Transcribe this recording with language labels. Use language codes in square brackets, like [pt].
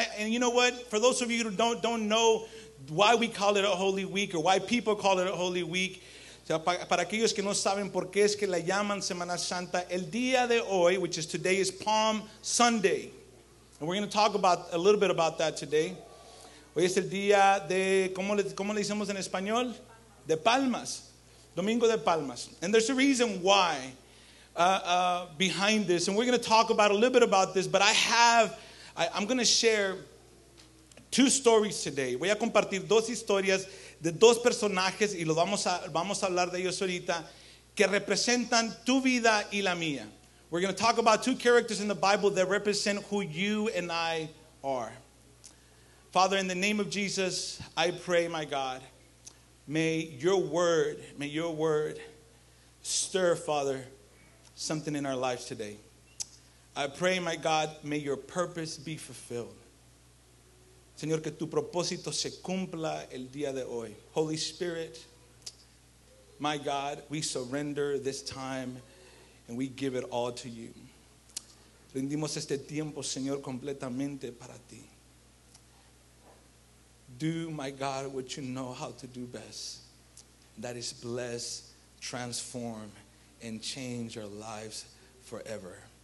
[en] And you know what? For those of you who don't know why we call it a Holy Week or why people call it a Holy Week, [es] para aquellos que no saben por qué es que la llaman Semana Santa, el día de hoy, [en] which is today, is Palm Sunday. And we're going to talk about a little bit about that today. [es] Hoy es el día de, ¿cómo le decimos en español? De Palmas. Domingo de Palmas. [en] And there's a reason why behind this. And we're going to talk about a little bit about this. But I'm going to share two stories today. [es] Voy a compartir dos historias de dos personajes. Y vamos a hablar de ellos ahorita. Que representan tu vida y la mía. [en] We're going to talk about two characters in the Bible that represent who you and I are. Father, in the name of Jesus, I pray, my God, may your word stir, Father, something in our lives today. I pray, my God, may your purpose be fulfilled. [es] Señor, que tu propósito se cumpla el día de hoy. [en] Holy Spirit, my God, we surrender this time. And we give it all to you. [es] Rendimos este tiempo, Señor, completamente para ti. [en] Do, my God, what you know how to do best. That is bless, transform, and change our lives forever.